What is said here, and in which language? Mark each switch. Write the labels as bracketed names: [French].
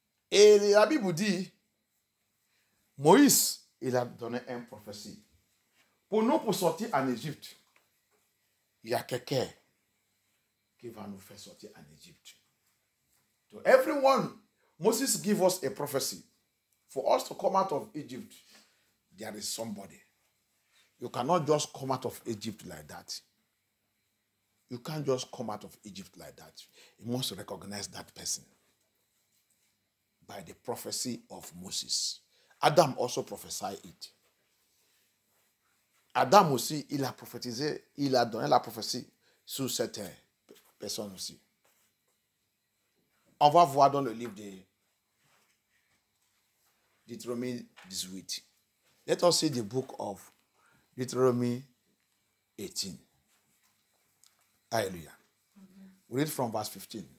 [French] Et la Bible dit, Moïse, il a donné une prophétie. Pour nous, pour sortir en Égypte, il y a quelqu'un qui va nous faire sortir en Égypte. [English] So everyone, Moses gave us a prophecy. For us to come out of Egypt, there is somebody. You cannot just come out of Egypt like that. You can't just come out of Egypt like that. You must recognize that person by the prophecy of Moses. Adam also prophesied it. [French] Adam aussi, il a prophétisé, il a donné la prophétie sur cette personne aussi. On va voir dans le livre de Deutéronome 18. [English] Let us see the book of Deutéronome 18. Alléluia. Mm-hmm. We read from verse 15.